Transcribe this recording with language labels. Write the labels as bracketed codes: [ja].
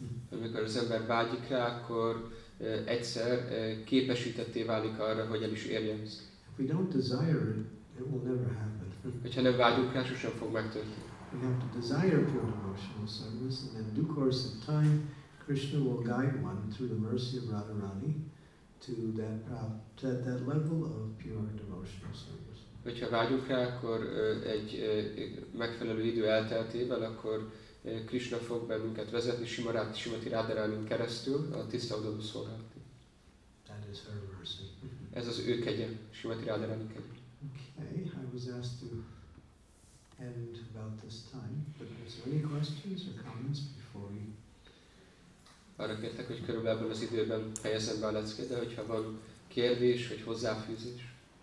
[hu] Amikor az ember vágyik rá, akkor egyszer képesítetté válik arra, hogy el is érjen ezt. [en] If we don't desire it, it will never happen. [hu] Hogyha nem vágyunk rá, sosem fog megtörténni. [en] We have to desire pure devotional service, and in due course of time, Krishna will guide one through the mercy of Radharani to that level of pure devotional service. [hu] Hogyha vágyunk rá, akkor egy megfelelő idő elteltével, akkor Krishna fog bennünket vezetni Srimati Radharanin keresztül a tiszta odaadó szolgálatra. [en] That is her mercy. [hu] Ez az ő kegye, Srimati Radharani kegye. [en] Okay, I was asked to end about this time, but are there any questions or comments before you? [hu] Arra kértek, hogy körülbelül ebben az időben fejezem be a leckét, de hogyha van kérdés, vagy hozzáfűzés.